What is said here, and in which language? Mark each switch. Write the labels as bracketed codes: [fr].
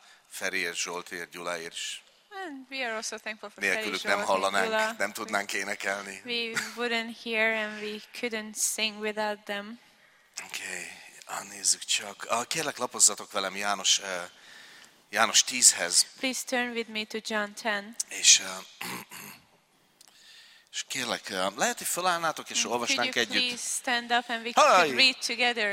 [hu] Feriért, Zsoltért, Gyuláért is. [en] And we are also thankful for [hu] Nélkülük Feri, nem hallanánk, nem tudnánk énekelni. [en] We wouldn't hear and we couldn't sing without them. [hu] Okay, nézzük csak. Kérlek, lapozzatok velem, János. János 10-hez. [en] Please turn with me to John 10. [hu] És kérlek, lehet, hogy felállnátok, és olvasnánk együtt. [en] Could you please stand up and we could read together.